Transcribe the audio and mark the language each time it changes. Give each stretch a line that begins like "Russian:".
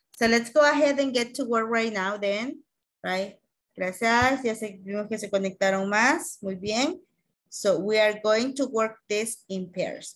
English: So let's go ahead and get to work right now then, right?
Spanish: Gracias, ya vimos que se conectaron más, muy bien.
English: So we are going to work this in pairs.